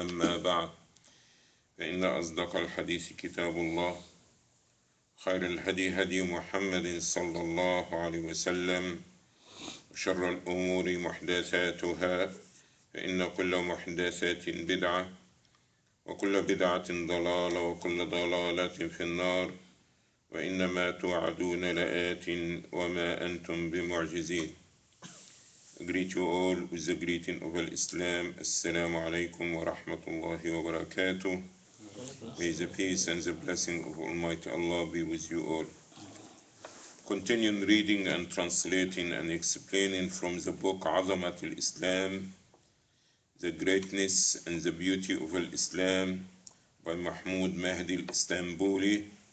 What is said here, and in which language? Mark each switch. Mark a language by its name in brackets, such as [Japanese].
[Arabic] أما بعد، فإن أصدق الحديث كتاب الله، خير الهدي هدي محمد صلى الله عليه وسلم، وشر الأمور محدثاتها، فإن كل محدثات بدعة، وكل بدعة ضلالة، وكل ضلالة في النار، وإنما توعدون لآت وما أنتم بمعجزين. [English] greet you all with the greeting of Islam. [Arabic] السلام عليكم ورحمة الله وبركاته. [English] May the peace and the blessing of Almighty Allah be with you all. Continuing reading and translating and explaining from the book عظمت الإسلام, The Greatness and the Beauty of Islam by Mahmoud Mahdi al-Istanbuli.